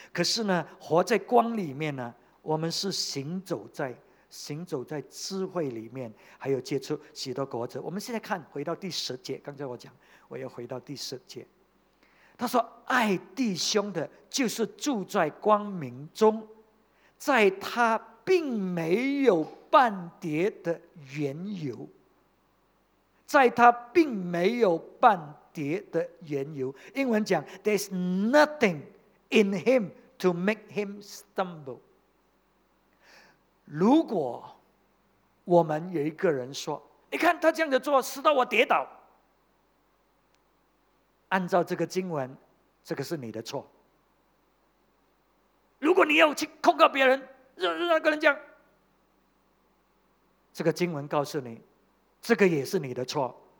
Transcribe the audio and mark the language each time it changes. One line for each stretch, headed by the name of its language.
Chinese: 可是呢，活在光里面呢，我们是行走在智慧里面，还有结出许多果子。我们现在看回到第十节，刚才我讲，我要回到第十节。他说：“爱弟兄的，就是住在光明中，在他并没有半点的缘由。” 在他并没有半点的缘由，英文讲
English: There's nothing in him to make him stumble。
Chinese: 如果我们有一个人说，你看他这样子做，使到我跌倒，按照这个经文，这个是你的错。如果你要去控告别人，让那个人讲，这个经文告诉你，这个也是你的错。